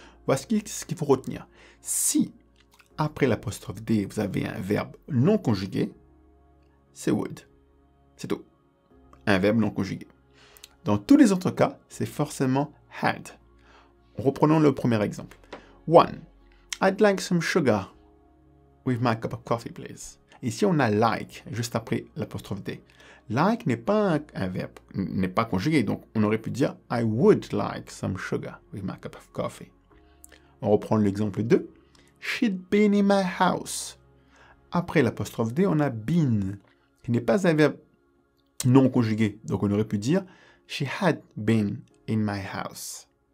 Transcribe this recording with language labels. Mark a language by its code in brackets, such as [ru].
[fr] Voici ce qu'il faut retenir. Si, après l'apostrophe D, vous avez un verbe non conjugué, c'est would. C'est tout. Un verbe non conjugué. Dans tous les autres cas, c'est forcément had. Reprenons le premier exemple. 1. [en] I'd like some sugar with my cup of coffee, please. [fr] Ici, on a like, juste après l'apostrophe D. Like n'est pas un verbe, n'est pas conjugué, donc on aurait pu dire [en] I would like some sugar with my cup of coffee. [fr] On reprend l'exemple 2. [en] She'd been in my house. [fr] Après l'apostrophe D, on a been, qui n'est pas un verbe non conjugué, donc on aurait pu dire [en] She had been in my house.